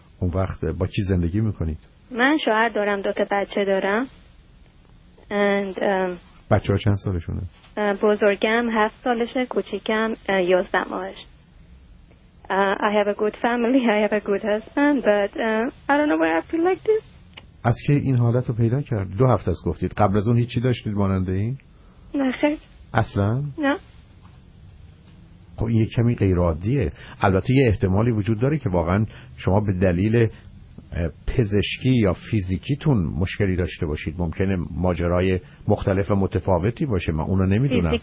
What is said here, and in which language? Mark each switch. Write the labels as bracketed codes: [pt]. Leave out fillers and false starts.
[fa] اون وقت با چی زندگی میکنید؟ من شوهر دارم، دو تا بچه دارم. [en] And [fa] بچه ها چند سالشونه؟ بزرگم 7 سالشه، کوچیکم 11 ماهش. [en] I have a good family, I have a good husband, but I don't know why I feel like this. [fa] از که این حالت رو پیدا کرد؟ دو هفته است گفتید. قبل از اون هیچی داشتید ماننده این؟ نه خیر. اصلا؟ نه. خب این یک کمی غیرعادیه. البته یه احتمالی وجود داره که واقعا شما به دلیل پزشکی یا فیزیکیتون مشکلی داشته باشید، ممکنه ماجرای مختلف متفاوتی باشه، من اونو نمیدونم.